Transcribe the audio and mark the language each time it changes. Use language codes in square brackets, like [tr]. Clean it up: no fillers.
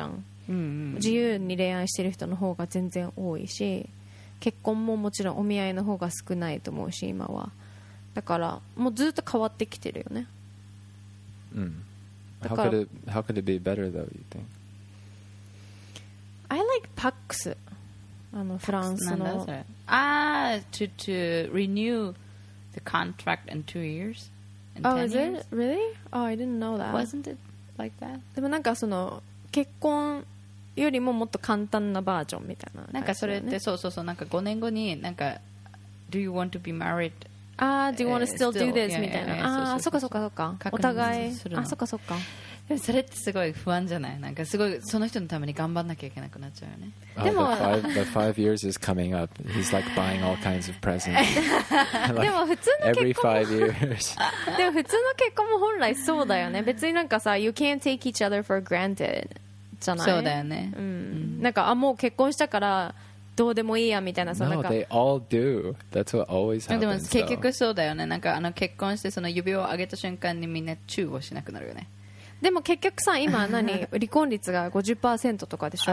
[ja] うんうん、自由に恋愛してる人の方が全然多いし、結婚ももちろんお見合いの方が少ないと思うし今は、だからもうずっと変わってきてるよね、うん、だから [en] how could it be better though you think? I like PACS [ja] あのフランスの、 [en] ああ、to renewthe contract in 2 years in oh is it really oh I didn't know that wasn't it like that [ja] でもなんかその結婚よりももっと簡単なバージョンみたいな、ね、なんかそれってそうそうそう、なんか5年後になんか [en] do you want to be married ah do you want to still do this yeah, [ja] みたいな、 [en] yeah, yeah, yeah. [ja] ああそっかそっかそっかお互いあそっかそっかでもそれってすごい不安じゃない、なんかすごいその人のために頑張んなきゃいけなくなっちゃうよね、でも [en] the five years is coming up he's like buying all kinds of presents [ja] でも普通の結婚 [en] every 5 years [ja] でも普通の結婚も本来そうだよね、別になんかさ [en] you can't take each other for granted [ja] じゃない、そうだよね、うん、mm-hmm. なんかあもう結婚したからどうでもいいやみたいな、そのなんか [en] no they all do that's what always happens [ja] でも結局そうだよね、なんかあの結婚してその指を上げた瞬間にみんなチューをしなくなるよね、でも結局さ今何離婚率が 50% とかでしょ、